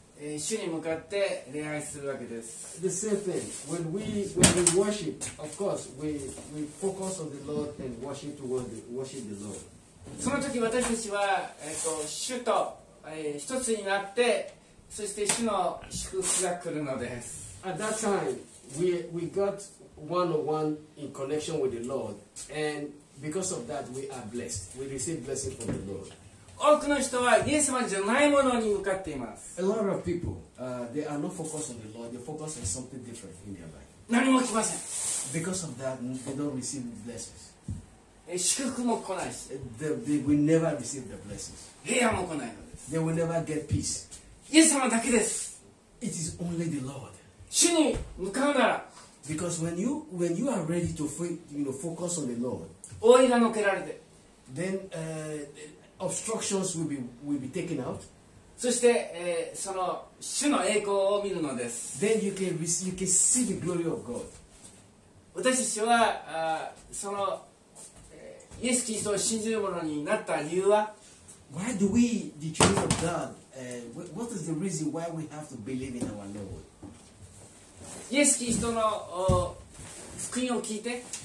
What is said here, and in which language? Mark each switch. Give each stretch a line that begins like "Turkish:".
Japanese: 主に向かって礼拝するわけです。
English: The same thing. When we worship, of course, we focus on the Lord and worship the Lord.
Japanese: その時私たちは、主と、一つになって、そして主の祝福が来るのです。
English: At that time, we got one-on-one in connection with the Lord, and because of that, we are blessed. We receive blessing from the Lord.
Japanese: 多くの人はイエス様じゃないものに向かっています。
English: A lot of people, they are not focused on the Lord. They focus on something different in their life.
Japanese: 何も来ません。
English: Because of that, they don't receive blessings.
Japanese: 祝福も来ないし。
English: They will never receive the blessings.
Japanese: 平安も来ないのです。
English: They will never get peace.
Japanese: イエス様だけです。
English: It is only the Lord.
Japanese: 主に向かうなら。
English: Because when you are ready to focus on the Lord.
Japanese: 覆いがのけられて。
English: Then, obstructions will be taken out.
Japanese: そして、その主の栄光を見るのです。
English: Then you can see the glory of God.
Japanese: 私たちはその、イエス・キリストを信じる者になった理由は、
English: Why do we, the children of God, what is the reason why we have to believe in our Lord?
Japanese: イエス・キリストの福音を聞いて、